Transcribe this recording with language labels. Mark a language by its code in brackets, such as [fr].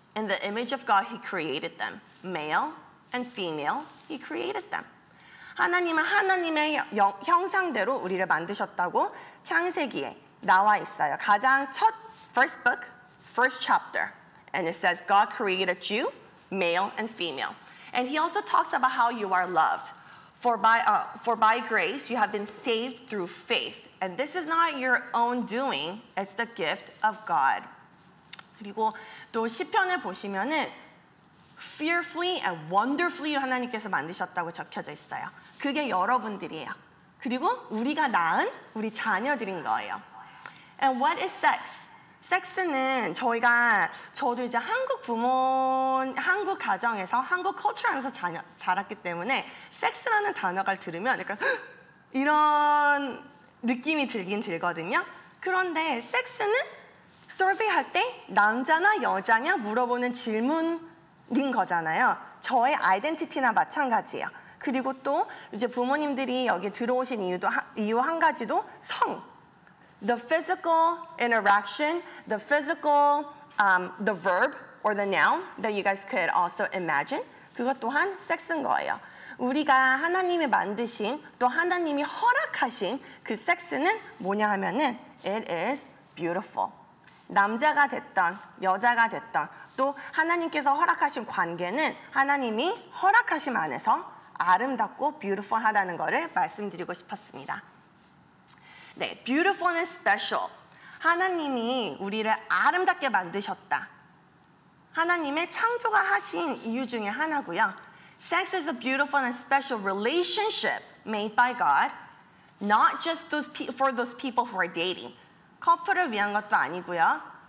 [en] In the image of God, he created them. Male and female, he created them. [ko] 하나님은 하나님의 형상대로 우리를 만드셨다고 창세기에 나와 있어요. 가장 첫 [en] first book, first chapter. And it says God created you, male and female. And he also talks about how you are loved. For by grace, you have been saved through faith. And this is not your own doing, it's the gift of God. [ko] 그리고 또 시편을 보시면은 [en] fearfully and wonderfully [ko] 하나님께서 만드셨다고 적혀져 있어요. 그게 여러분들이에요. 그리고 우리가 낳은 우리 자녀들인 거예요. [en] And what is sex? [ko] 섹스는 저희가 저도 이제 한국 부모, 한국 가정에서 한국 culture 안에서 자랐기 때문에 섹스라는 단어를 들으면 약간 이런 느낌이 들긴 들거든요. 그런데 섹스는 서베이할 때 남자나 여자냐 물어보는 질문인 거잖아요. 저의 아이덴티티나 마찬가지예요. 그리고 또 이제 부모님들이 여기 들어오신 이유 한 가지도 성. [en] The physical interaction, the physical, the verb or the noun that you guys could also imagine. [ko] 그것 또한 섹스인 거예요. 우리가 하나님이 만드신 또 하나님이 허락하신 그 섹스는 뭐냐 하면은 [en] it is beautiful. [ko] 남자가 됐던 여자가 됐던 또 하나님께서 허락하신 관계는 하나님이 허락하심 안에서 아름답고 beautiful하다는 것을 말씀드리고 싶었습니다. [en] 네, beautiful and special. [ko] 하나님이 우리를 아름답게 만드셨다. 하나님의 창조가 하신 이유 중에 하나고요. [en] Sex is a beautiful and special relationship made by God, not just those for those people who are dating. [ko] 커플을 위한 것도 아니고요.